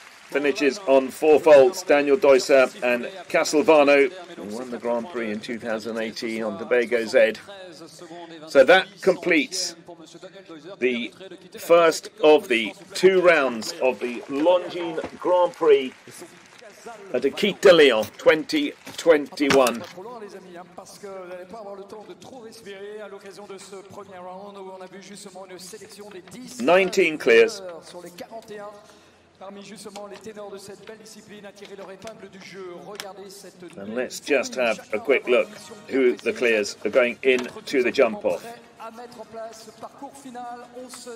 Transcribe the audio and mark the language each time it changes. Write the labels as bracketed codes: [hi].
[en] Finishes on four faults. Daniel Deuxer and Casalvano won the Grand Prix in 2018 on Tobago Z. So that completes the first of the two rounds of the Longines Grand Prix at Aquitaine de Lyon 2021. [fr] Pas trop loin, les amis, hein, parce que vous n'allez pas avoir le temps de trop respirer à l'occasion de ce premier round où on a vu justement une sélection des 10 [en] 19 clears [fr] sur les 41 parmi justement les ténors de cette belle discipline à tirer leur épingle du jeu. Regardez cette. [en] And let's just have a quick look who the clears are going in to the jump off. [fr] À mettre en place parcours final, on se